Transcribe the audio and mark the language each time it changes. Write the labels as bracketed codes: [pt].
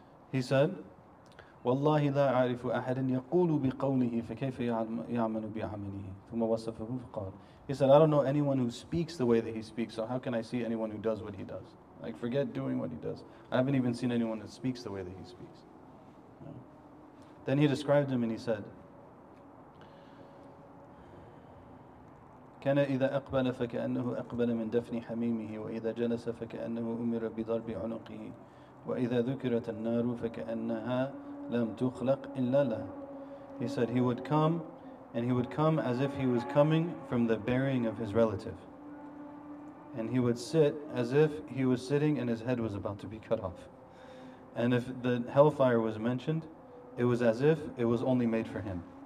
[en] He said, [ar] وَاللَّهِ لَا أَعْرِفُ أَحَدٍ يَقُولُ بِقَوْلِهِ فَكَيْفَ يَعْمَلُ بِعَمَلِهِ ثُمَّ وَصَفَهُ فَقَالَ, [en] he said, I don't know anyone who speaks the way that he speaks, so how can I see anyone who does what he does? Like, forget doing what he does. I haven't even seen anyone that speaks the way that he speaks. No. Then he described him and he said, [ar] كان إذا أقبل فكأنه أقبل من دفن حميمه وإذا جلس فكأنه أمر بضرب عنقه وإذا ذكرت النار فكأنها لم تخلق إلا له. [en] He said he would come, and he would come as if he was coming from the burying of his relative. And he would sit as if he was sitting and his head was about to be cut off. And if the hellfire was mentioned, it was as if it was only made for him.